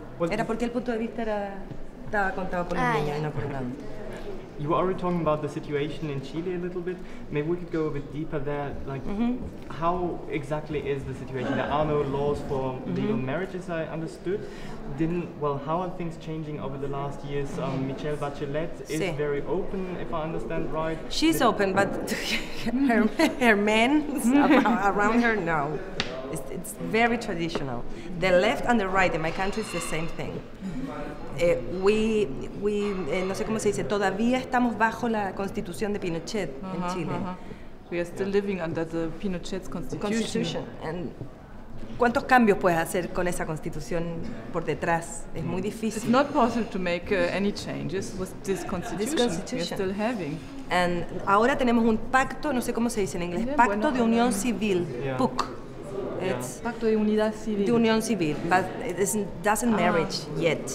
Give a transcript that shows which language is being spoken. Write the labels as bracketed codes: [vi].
[es] Era porque el punto de vista estaba contado por el niño y no por el adulto. [en] You were already talking about the situation in Chile a little bit. Maybe we could go a bit deeper there. Like, mm-hmm. how exactly is the situation? There are no laws for legal mm-hmm. marriages, I understood. How are things changing over the last years? Michelle Bachelet is sí. very open, if I understand right. She's open, but her men around her, no. It's very traditional. The left and the right in my country is the same thing. [es] No sé cómo se dice, todavía estamos bajo la constitución de Pinochet uh-huh, en Chile. Uh-huh. [en] We are still living under the Pinochet's constitution. [es] ¿Cuántos cambios puedes hacer con esa constitución por detrás? Es muy difícil. [en] It's not possible to make any changes with this constitution. You're still having. [es] And ahora tenemos un pacto, no sé cómo se dice en inglés, pacto de unión civil, yeah. PUC. Yeah. Pacto de unidad civil. De unión civil, [en] but it doesn't marriage yet.